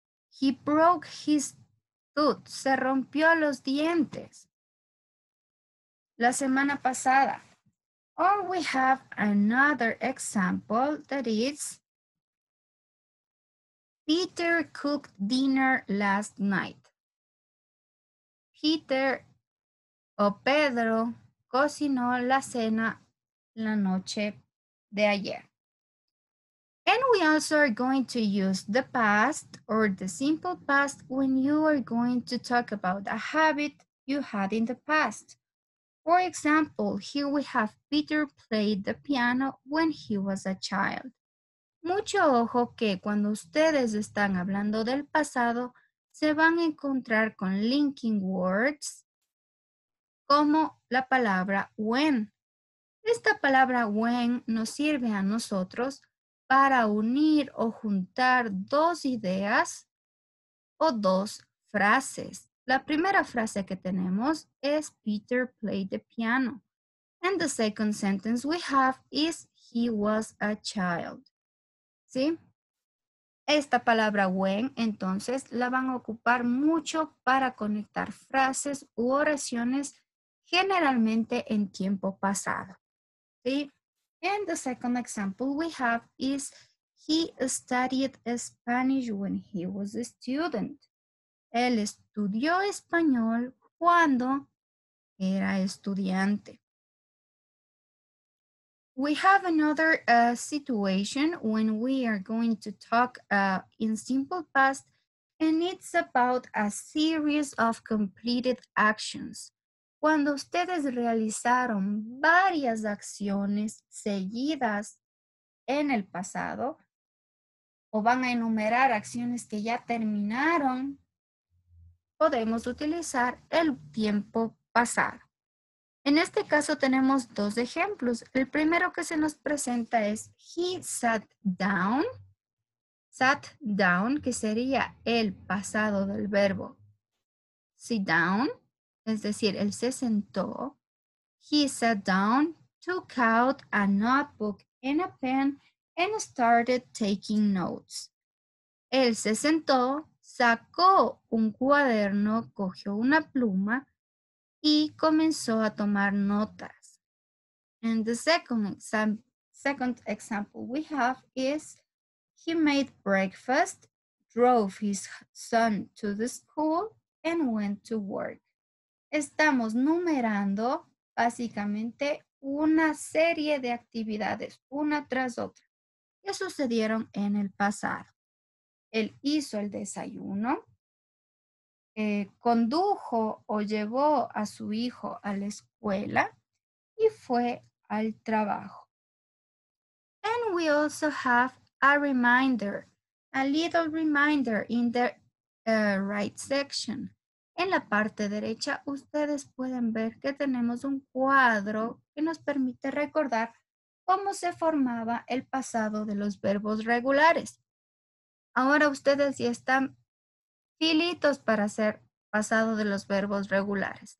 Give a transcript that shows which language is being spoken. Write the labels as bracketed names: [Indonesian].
[English] He broke his tooth, [Spanish] se rompió los dientes la semana pasada. [English] Or we have another example that is, Peter cooked dinner last night. [Spanish] Peter o Pedro cocinó la cena la noche de ayer. [English] And we also are going to use the past or the simple past when you are going to talk about a habit you had in the past. For example, here we have Peter played the piano when he was a child. [Spanish] Mucho ojo que cuando ustedes están hablando del pasado, se van a encontrar con linking words como la palabra when. Esta palabra when nos sirve a nosotros para unir o juntar dos ideas o dos frases. La primera frase que tenemos es [English] Peter played the piano. And the second sentence we have is he was a child. [Spanish] ¿Sí? Esta palabra when, entonces, la van a ocupar mucho para conectar frases u oraciones generalmente en tiempo pasado. ¿Sí? [English] And the second example we have is he studied Spanish when he was a student. [Spanish] Él estudió español cuando era estudiante. [English] We have another situation when we are going to talk in simple past, and it's about a series of completed actions. [Spanish] Cuando ustedes realizaron varias acciones seguidas en el pasado, o van a enumerar acciones que ya terminaron, podemos utilizar el tiempo pasado. En este caso tenemos dos ejemplos. El primero que se nos presenta es [English] he sat down. Sat down, [Spanish] que sería el pasado del verbo [English] sit down. [Spanish] Es decir, él se sentó. [English] He sat down, took out a notebook and a pen, and started taking notes. [Spanish] Él se sentó, sacó un cuaderno, cogió una pluma y comenzó a tomar notas. [English] And the second example we have is he made breakfast, drove his son to the school, and went to work. [Spanish] Estamos numerando básicamente una serie de actividades, una tras otra, que sucedieron en el pasado. Él hizo el desayuno, condujo o llevó a su hijo a la escuela y fue al trabajo. [English] And we also have a reminder, a little reminder in the right section. [Spanish] En la parte derecha, ustedes pueden ver que tenemos un cuadro que nos permite recordar cómo se formaba el pasado de los verbos regulares. Ahora ustedes ya están filitos para hacer pasado de los verbos regulares.